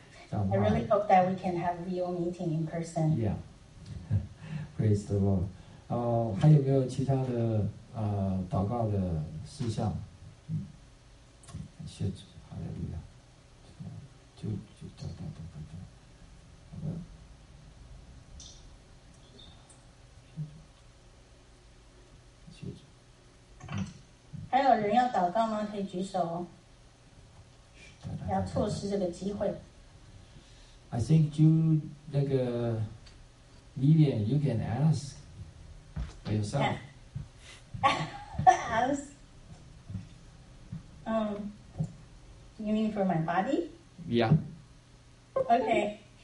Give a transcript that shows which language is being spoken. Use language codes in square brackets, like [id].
[en] I really hope that we can have real meeting in person. Yeah. Praise the Lord. [zh] 还有没有其他的祷告的事项？谢主，哈利路亚，就等等等等等，好的，谢主，还有人要祷告吗？可以举手哦，不要错失这个机会。 [en] I think you [zh] 那个 [en] Vivian, you can ask by yourself. Ask. You mean for my body? Yeah. Okay.